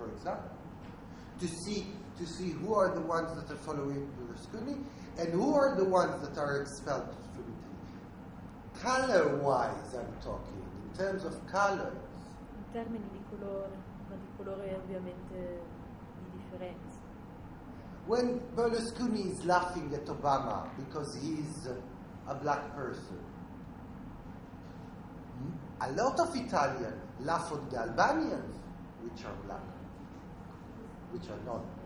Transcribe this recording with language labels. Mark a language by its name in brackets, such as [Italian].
[English] for example to see who are the ones that are following Berlusconi and who are the ones that are expelled from Italy. Color-wise I'm talking, in terms of colors. [Italian] In termini di colore, ma di colore è ovviamente di differenza. [English] When Berlusconi is laughing at Obama because he is a black person, a lot of Italians laugh at the Albanians, which are black, which are not.